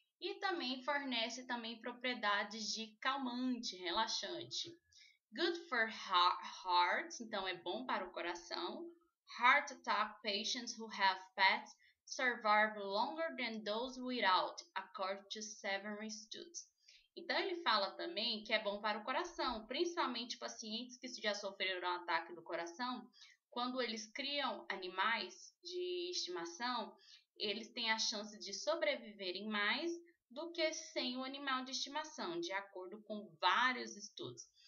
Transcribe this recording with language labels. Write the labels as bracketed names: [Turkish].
[Portuguese] E também fornece também propriedades de calmante, relaxante. [English] Good for heart, [Portuguese] então é bom para o coração. [English] Heart attack patients who have pets survive longer than those without, according to several studies. [Portuguese] Então, ele fala também que é bom para o coração, principalmente pacientes que já sofreram um ataque do coração. Quando eles criam animais de estimação, eles têm a chance de sobreviverem mais do que sem o animal de estimação, de acordo com vários estudos.